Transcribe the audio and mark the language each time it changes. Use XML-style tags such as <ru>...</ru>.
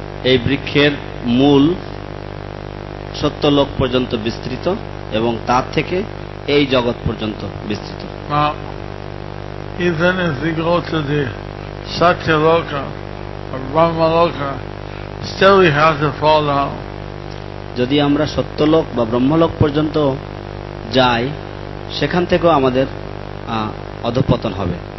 <bn>এই বৃক্ষের মূল সত্যলোক পর্যন্ত বিস্তৃত এবং তার থেকে এই জগৎ পর্যন্ত বিস্তৃত.</bn> <en>Even if we go to the Satya Loka or Brahma Loka, still we have to fall down.</en> <bn>যদি আমরা সত্যলোক বা ব্রহ্মলোক পর্যন্ত যাই সেখান থেকেও আমাদের অধঃপতন হবে.</bn>